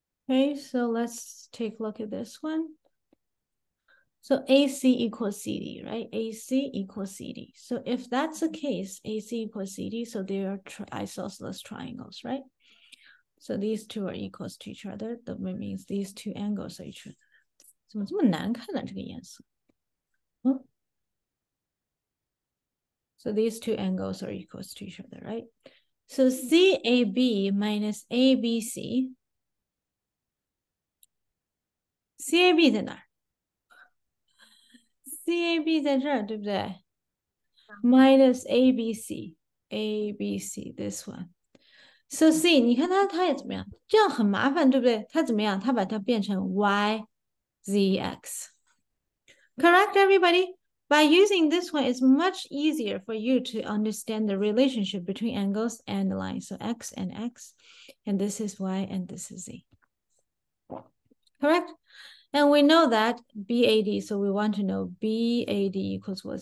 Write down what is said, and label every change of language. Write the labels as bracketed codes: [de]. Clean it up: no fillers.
[en] Okay, so let's take a look at this one. So AC equals CD, right? AC equals CD. So if that's the case, AC equals CD, so they are isosceles triangles, right? So these two are equals to each other. That means these two angles are each other. [zh] 怎么这么难看呢，这个颜色？ [en] So these two angles are equals to each other, right? So CAB minus ABC. [zh] CAB 在哪儿？ CAB 在这儿，对不对？ [en] Minus ABC, ABC, this one. So [zh] C, 你看它也怎么样？这样很麻烦，对不对？它怎么样？它把它变成 Y, Z, X. [en] Correct, everybody? By using this one, it's much easier for you to understand the relationship between angles and the line. So X and X, and this is Y, and this is Z. Correct? And we know that BAD, so we want to know BAD equals what?